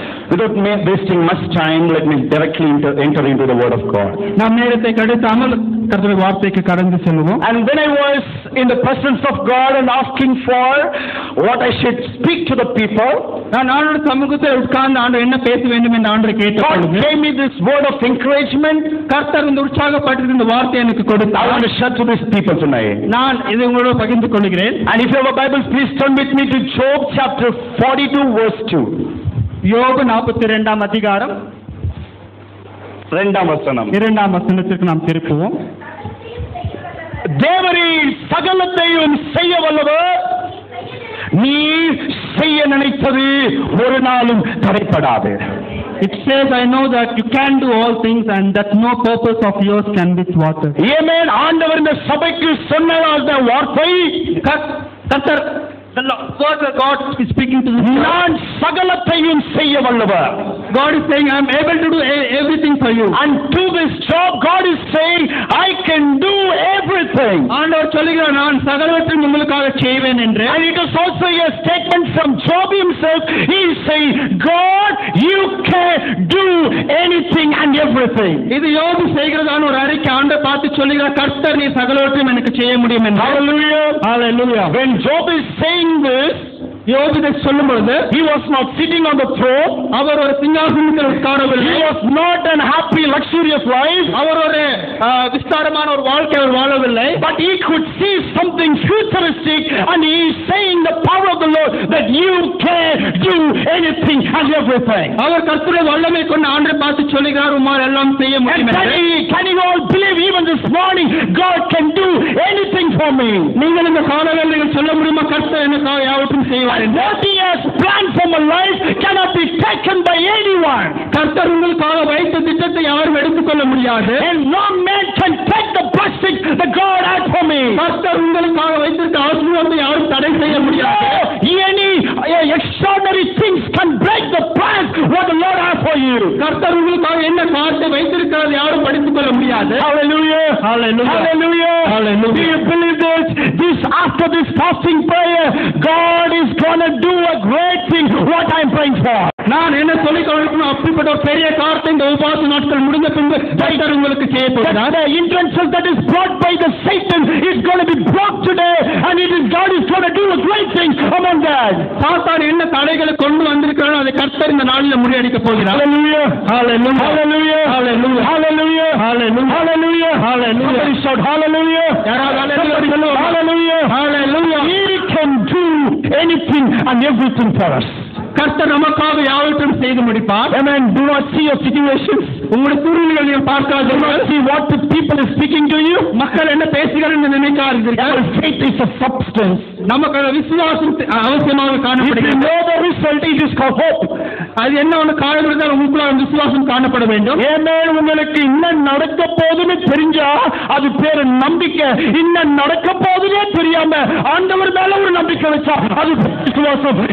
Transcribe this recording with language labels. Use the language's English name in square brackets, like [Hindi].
[English] Without me wasting much time, let me directly enter into the word of God. [Tamil] நாம் நேரத்தை கடந்து அமல் கர்த்தருடைய வார்த்தைக்கு கடந்து செல்வோம். [English] And when I was in the presence of God and asking for what I should speak to the people, [Tamil] நான் ஆண்டவர் சமூகத்தில் உட்கார்ந்து ஆண்டவர் என்ன பேச வேண்டும் என்று ஆண்டவர் கேட்டபொழுது, [English] God gave me this word of encouragement. [Tamil] கர்த்தர் இந்த உற்சாகப்படுத்தும் இந்த வார்த்தை எனக்கு கொடுத்தார். [English] I want to share to these people tonight. [Tamil] நான் இதை உங்களோடு பகிர்ந்து கொள்கிறேன். [English] And if you have a Bible, please turn with me to Job chapter 42 verse 2. [Tamil] யோபு 42 அதிகாரம் 2 வசனம், 2 வசனத்திற்கு நாம் திருப்புவோம். தேவரே சகலத்தையும் செய்ய வல்லவர், நீ செய்ய நினைத்தது ஒரு நாளும் தடைப்படாது. [English] It says, I know that you can do all things and that no purpose of yours can be thwarted. [Tamil] ஆமென். ஆண்டவர் இந்த சபைக்கு சொன்னதான் அந்த வார்த்தை. [English] கர்த்தர் God is speaking to me. [Tamil] நான் சகலத்தையும் செய்ய வல்லவர். [English] God is saying, I am able to do everything for you. And to this job, God is saying, I can do everything. [Tamil] ஆண்டவர் சொல்கிறார், நான் சகலத்தையும் உங்களுக்காக செய்வேன் என்று. [English] And it is also a statement from Job himself. He is saying, God, you can do anything and everything. [Tamil] இது யோபு செய்கிறதான ஒரு அறிக்கை. ஆண்டவர் பார்த்து சொல்கிறார், கர்த்தர் நீ சகலத்தையும் எனக்கு செய்ய முடியும் என்று. Hallelujah. Hallelujah. [English] When Job is saying this, [Tamil] யோபுவே சொல்லும்பொழுது, [English] he was not sitting on the throne. [Tamil] அவர் ஒரு சிங்காசனத்தில் உட்காரவில்லை. [English] He was not an happy luxurious life. [Tamil] அவர் ஒரு விஸ்தாரமான ஒரு வாழ்க்கை அவர் வாழவில்லை. [English] But he could see something futuristic and he is saying the power of the Lord that you can do anything and everything. [Tamil] அவர் கர்த்தருடைய வல்லமை கொண்டு ஆண்டவரை பார்த்து சொல்கிறார், உம்மால் எல்லாம் செய்ய முடியும். [English] Can you all believe even this morning God can do anything for me? [Tamil] நீங்கள் இந்த காலையில் நீங்கள் சொல்ல முடியுமா, கர்த்தர் எனக்காக யாவற்றையும் செய்ய? [English] And what he has planned for my life cannot be taken by anyone. [Tamil] கர்த்தருங்கள் காக வைத்த திட்டத்தை யாரும் எடுத்துக்கொள்ள முடியாது. [English] And no man can take the blessing that God has for me. [Tamil] கர்த்தருங்கள் காக வைத்த ஆசீர்வாதத்தை யாரும் தடை செய்ய முடியாது. [English] Any extraordinary things can break the plans what the Lord has for you. [Tamil] கர்த்தருங்கள் காக என்ன காரியத்தை வைத்திருக்கிறார் யாரும் படித்துக்கொள்ள முடியாது. [English] Hallelujah. Hallelujah. Hallelujah. Hallelujah. Do you believe this? After this fasting prayer, God is gonna do a great thing what I'm praying for. [Tamil] நான் என்ன சொல்லிக்கொள்ளணும், அப்படிப்பட்ட ஒரு பெரிய காரியத்தை இந்த உபவாச நாட்கள் முடிந்த பின்பு கர்த்தர் உங்களுக்கு செய்யப்படுகிறார். [English] The intention that is brought by the Satan is going to be broke today and it is God is going to do a great thing among us. [Tamil] சாத்தான் என்ன தடைகளை கொண்டு வந்திருக்கிறானோ அதை கர்த்தர் இந்த நாளில் முறியடிக்க போகிறார். [English] Hallelujah. Hallelujah. Hallelujah. Hallelujah. Hallelujah. Hallelujah. Hallelujah. Hallelujah. Somebody shout hallelujah. Hallelujah. Hallelujah. Hallelujah. He can do anything and everything for us. [Tamil] கர்த்தர் நமக்காக யாவற்றையும் செய்து முடிப்பார். [English] Amen. Do not see your situations. [Tamil] உங்களுடைய சூழ்நிலைகளை பார்க்காதே. [English] Do not see what the people is speaking to you. [Tamil] மக்கள் என்ன பேசுகிறார்கள் நினைக்காதீர்கள். [English] Our faith is a substance. [Tamil] நமக்கு விசுவாசம் அவசியமாக காணப்படுகிறது. [English] If you know the result, it is called hope. [Tamil] அது என்ன ஒரு காரியங்கள்தான் உங்களுக்குள்ள அந்த விசுவாசம் காணப்பட வேண்டும். ஏமேன். உங்களுக்கு என்ன நடக்க போகுதுன்னு தெரிஞ்சா அது பேரு நம்பிக்கை. என்ன நடக்க போகுதுனே தெரியாம ஆண்டவர் மேல ஒரு நம்பிக்கை வச்சா அது விசுவாசம்.